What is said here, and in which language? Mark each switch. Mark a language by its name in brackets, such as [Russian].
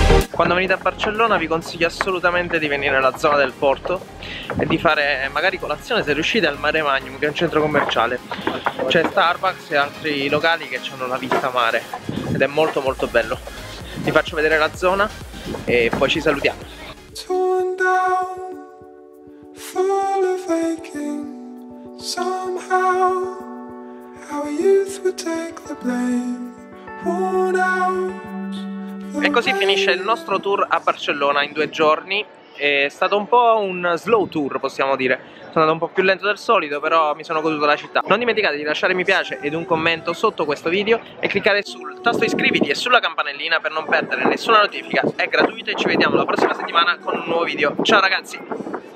[Italian] Quando venite a Barcellona vi consiglio assolutamente di venire nella zona del porto e di fare magari colazione, se riuscite, al Mare Magnum, che è un centro commerciale. C'è Starbucks e altri locali che hanno la vista mare ed è molto molto bello. Vi faccio vedere la zona e poi ci salutiamo. [English] Torn down, full of aching, somehow our youth would take the blame, worn out. [Italian] E così finisce il nostro tour a Barcellona in 2 giorni. È stato un po' un slow tour, possiamo dire. Sono andato un po' più lento del solito, però mi sono goduto la città. Non dimenticate di lasciare mi piace ed un commento sotto questo video e cliccare sul tasto iscriviti e sulla campanellina per non perdere nessuna notifica. È gratuito e ci vediamo la prossima settimana con un nuovo video. Ciao ragazzi!